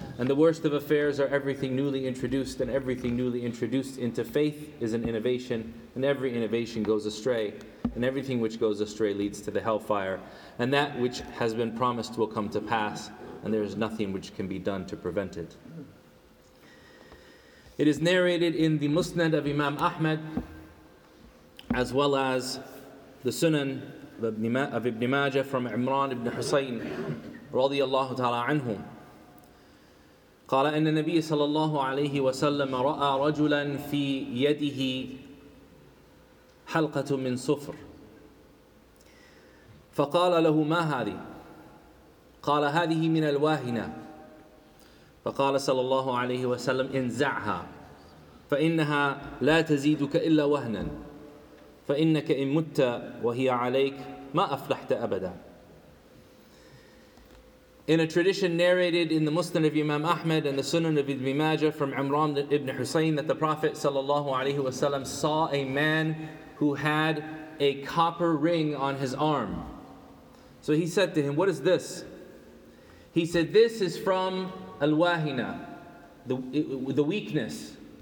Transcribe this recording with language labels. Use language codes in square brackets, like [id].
[en] And the worst of affairs are everything newly introduced, and everything newly introduced into faith is an innovation, and every innovation goes astray, and everything which goes astray leads to the hellfire, and that which has been promised will come to pass, and there is nothing which can be done to prevent it. It is narrated in the Musnad of Imam Ahmad, as well as the Sunan of Ibn Majah from Imran ibn Husayn, radiallahu ta'ala anhum. [ar] قال أن النبي صلى الله عليه وسلم رأى رجلا في يده حلقة من صفر. فقال له ما هذه؟ قال هذه من الواهنة. فقال صلى الله عليه وسلم انزعها. فإنها لا تزيدك إلا وهنا فإنك إن مت وهي عليك ما أفلحت أبدا. [en] In a tradition narrated in the Musnad of Imam Ahmad and the Sunan of Ibn Majah from Imran ibn Husayn, that the Prophet sallallahu alaihi wasallam saw a man who had a copper ring on his arm. So he said to him, "What is this?" He said, "This is from al-wahina, the weakness."